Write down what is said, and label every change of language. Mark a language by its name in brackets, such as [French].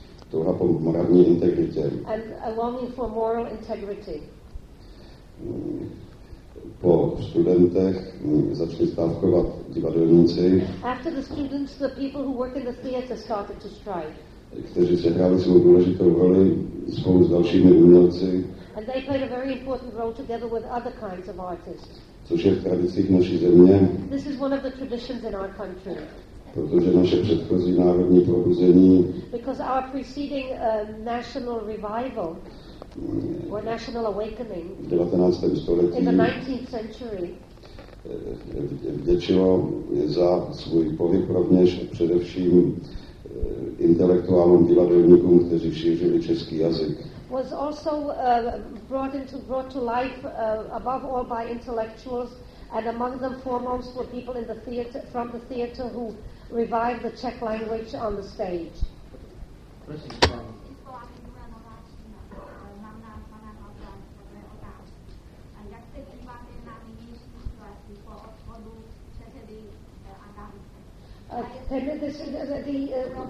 [Czech] Touha po morální integritě. [English] And a longing for moral integrity. [Czech] Po studentech začali stávkovat divadelníci. [English] After the students, the people who work in the theater started to strike. [Czech] Kteří sehráli svou důležitou roli spolu s dalšími umělci. [English] And they played a very important role together with other kinds of artists. [Czech] Což je v tradicích naší země. [English] This is one of the traditions in our country. [Czech] Protože naše předchozí národní probuzení. [English] Because our preceding national revival. Or national awakening [Czech] v 19. století, [English] in the 19th century, [Czech] vděčilo za svůj pohyb rovněž především intelektuálům divadelníkům, kteří šířili český jazyk. [English] Was also brought to life above all by intellectuals, and among them foremost were people in the theater, from the theater, who revived the Czech language on the stage.